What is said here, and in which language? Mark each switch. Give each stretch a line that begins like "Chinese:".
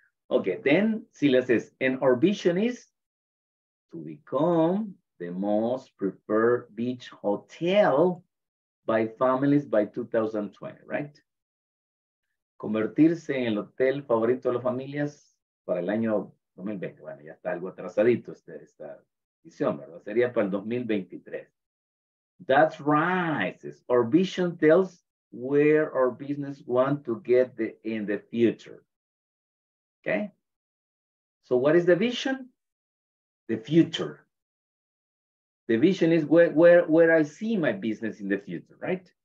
English: Okay, then Silas says, and our vision is to become the most preferred beach hotel by families by 2020, right?
Spanish: Convertirse en el hotel favorito de las familias para el año 2020. Bueno, ya está algo atrasadito esta visión, ¿verdad? Sería para el 2023.
English: That's right. Our vision tells where our business wants to get in the future. Okay, so what is the vision? The future. The vision is where I see my business in the future, right?